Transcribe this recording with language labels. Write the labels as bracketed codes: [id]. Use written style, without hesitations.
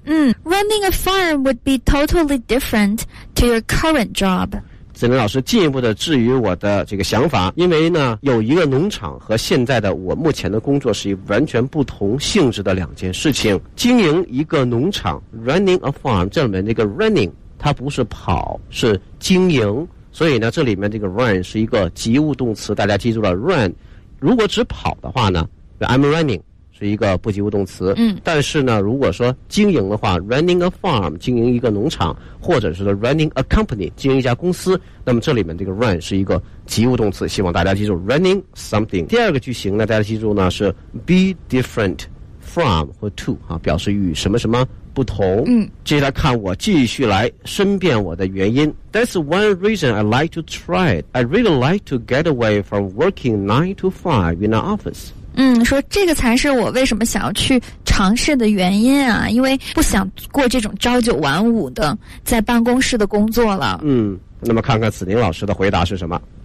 [en] Running a farm would be totally different to your current job。 [zh] 子宁老师进一步的质疑我的这个想法，因为呢有一个农场和现在的我目前的工作是完全不同性质的两件事情。经营一个农场 [en] running a farm， [zh] 这里面那个 running 它不是跑，是经营，所以呢这里面这个 run 是一个及物动词，大家记住了 run 如果只跑的话呢 [en] I'm running [zh] 是一个不及物动词，但是呢如果说经营的话 running a farm 经营一个农场，或者是 [en] running a company [zh] 经营一家公司，那么这里面这个 run 是一个及物动词，希望大家记住 [en] running something。 [zh] 第二个句型呢，大家记住呢是 be different from 或 to 啊，表示与什么什么不同。接下来看我继续来申辩我的原因。 [en] That's one reason I like to try it. I really like to get away from working 9 to 5 in an office. [zh] 说这个才是我为什么想要去尝试的原因啊，因为不想过这种朝九晚五的在办公室的工作了。那么看看子宁老师的回答是什么。